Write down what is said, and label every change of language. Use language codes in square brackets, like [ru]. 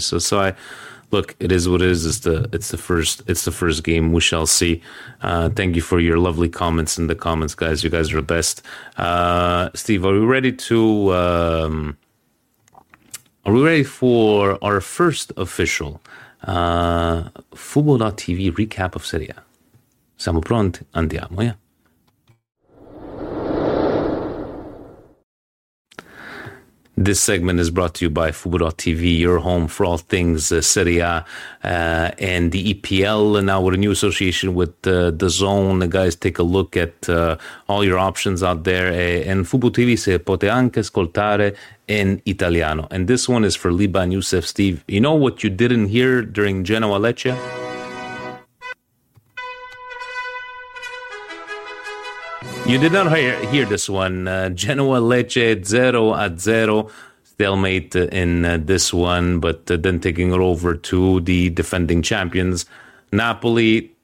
[en] So I... Look, it is what it is. It's the first game. We shall see. Thank you for your lovely comments in the comments, guys. You guys are the best. Steve, are we ready to? Are we ready for our first official Fubo.tv recap of Serie A? [it] Siamo pronti, andiamo, yeah. [en] This segment is brought to you by Fubo.tv, your home for all things Serie A and the EPL. And now with a new association with DAZN, guys, take a look at all your options out there. [it] And Fubo TV, se pote anche ascoltare in Italiano. [en] And this one is for Liba and Youssef. Steve, you know what you didn't hear during Genoa Lecce? You did not hear this one. Genoa Lecce 0-0. Stalemate in this one, but then taking it over to the defending champions, Napoli.